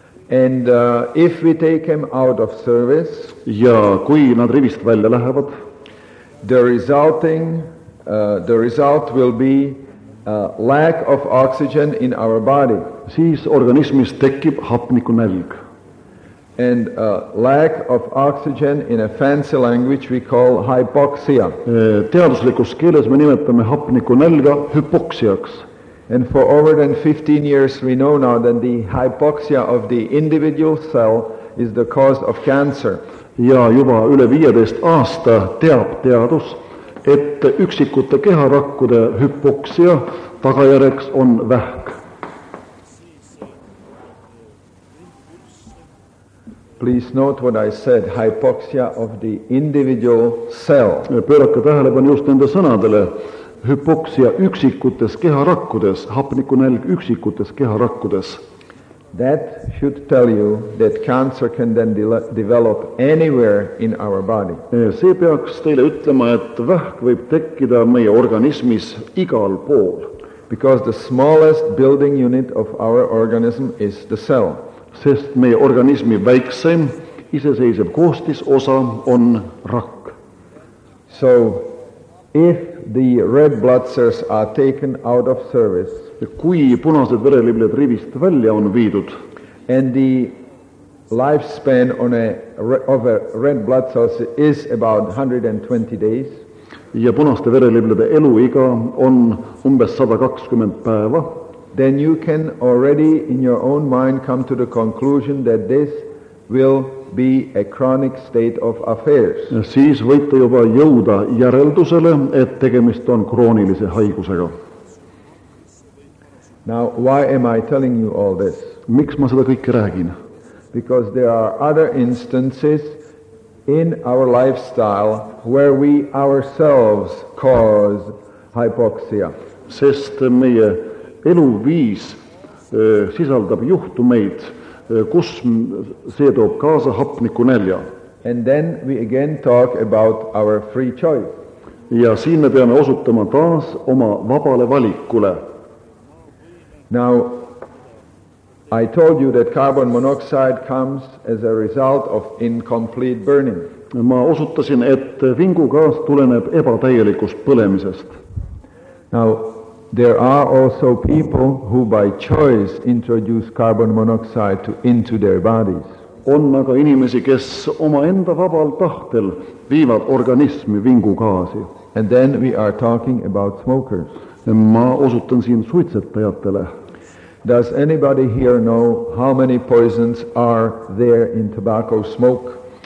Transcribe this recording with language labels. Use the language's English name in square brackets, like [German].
[English] And if we take him out of service, [Estonian] ja kui nad rivist välja lähevad, [English] the result will be a lack of oxygen in our body. [Estonian] Siis organismis tekib hapniku nälg. [English] And a lack of oxygen in a fancy language we call hypoxia. [Estonian] Teaduslikus keeles me nimetame hapniku nälga hypoxiaks. [English] And for over than 15 years we know now that the hypoxia of the individual cell is the cause of cancer. [Estonian] Ja juba üle 15 aasta teab teadus, et üksikute keharakkude hypoxia tagajärjeks on vähk. [English] Please note what I said, hypoxia of the individual cell. [Estonian] Pöörake tähelepanu just nende sõnadele. Hypoxia üksikutes keharakkudes, hapniku nälg üksikutes keharakkudes. [English] That should tell you that cancer can then develop anywhere in our body. [Estonian] See peaks teile ütlema, et vähk võib tekkida meie organismis igal pool. [English] Because the smallest building unit of our organism is the cell. [Estonian] Sest meie organismi väikseim, iseseisev koostisosa on rakk. [English] So, if the red blood cells are taken out of service, [Estonian] kui punased vereliblad rivist välja on viidud, [English] and the lifespan of a red blood cells is about 120 days, [Estonian] ja punaste vereliblade eluiga on umbes 120 päeva, [English] then you can already in your own mind come to the conclusion that this will be a chronic state of affairs. [Estonian] Siis võite juba jõuda järeldusele, et tegemist on kroonilise haigusega. [English] Now, why am I telling you all this? [Estonian] Miks ma seda kõike räägin? [English] Because there are other instances in our lifestyle where we ourselves cause hypoxia. [Estonian] Sest meie eluviis sisaldab juhtumeid, kus see toob kaasa hapniku nälja. [English] And then we again talk about our free choice. [Estonian] Ja siin me peame osutama taas oma vabale valikule. [English] Now, I told you that carbon monoxide comes as a result of incomplete burning. [Estonian] Ma osutasin, et vingugaas tuleneb ebatäielikust põlemisest. [English] Now, there are also people who by choice introduce carbon monoxide into their bodies. [Estonian] On aga inimesi, kes oma enda vabal tahtel viivad organismi vingugaasi. [English] And then we are talking about smokers. [Estonian] Ma osutan siin suitsetajatele. [English] Does anybody here know how many poisons are there in tobacco smoke?